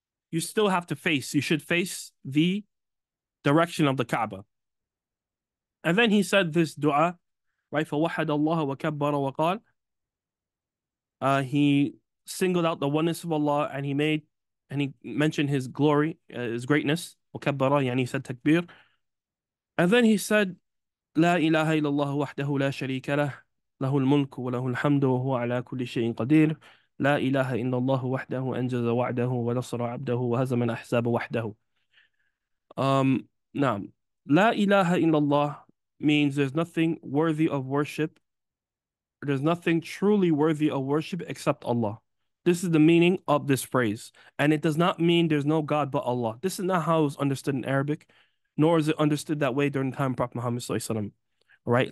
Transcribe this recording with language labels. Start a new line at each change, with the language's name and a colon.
English: You still have to face, you should face the direction of the Kaaba. And then he said this dua, right?
Arabic: فَوَحَدَ اللَّهَ وَكَبَّرَ وَقَالَ.
English: He singled out the oneness of Allah, and he made, and he mentioned his glory, his greatness.
Arabic: وَكَبَّرَ, يعني
English: he said takbir. And then he said,
Arabic: لَا إِلَهَ إِلَّا اللَّهُ وَحْدَهُ لَا شَرِيكَ لَهُ لَهُ الْمُلْكُ وَلَهُ الْحَمْدُ وَهُوَ عَلَى كُلِّ شَيْءٍ قَدِيرٌ. لا إله إلا الله وحده أنجز وعده ونصر عبده وهزم الأحزاب وحده. نعم. لا إله إلا الله
English: means there's nothing worthy of worship. There's nothing truly worthy of worship except Allah. This is the meaning of this phrase. And it does not mean there's no God but Allah. This is not how it was understood in Arabic, nor is it understood that way during the time of Prophet Muhammad Sallallahu Alaihi Wasallam. Right?